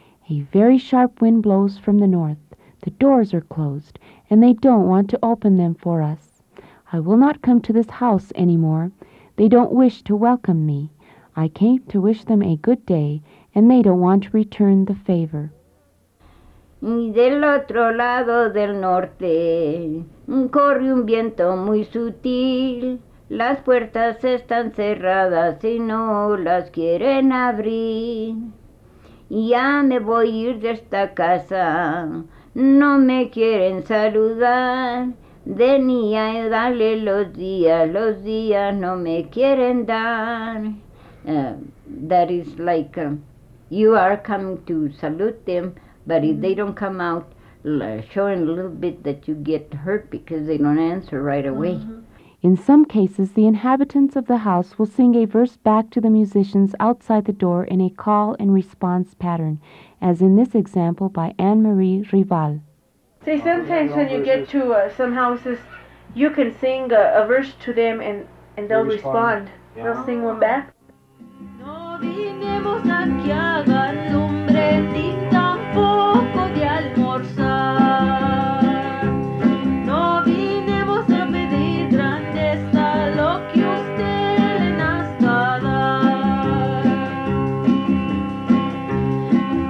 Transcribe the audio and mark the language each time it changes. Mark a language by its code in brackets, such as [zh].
[en] A very sharp wind blows from the north. The doors are closed, and they don't want to open them for us. I will not come to this house anymore. They don't wish to welcome me. I came to wish them a good day, and they don't want to return the favor. [es] Y del otro lado del norte corre un viento muy sutil. Las puertas están cerradas y no las quieren abrir. Ya me voy a ir de esta casa, no me quieren saludar. Venía y dale los días no me quieren dar. [en] That is like, you are coming to salute them, but if they don't come out, showing a little bit that you get hurt because they don't answer right away. Mm-hmm. In some cases, the inhabitants of the house will sing a verse back to the musicians outside the door in a call and response pattern, as in this example by Anne-Marie Rival. See, sometimes when you get to some houses, you can sing a verse to them and they'll respond. Yeah. They'll sing one back. [es] No vinimos aquí a dar lumbre ni tampoco de almorzar. No vinimos a pedir grandeza lo que usted nos va a dar.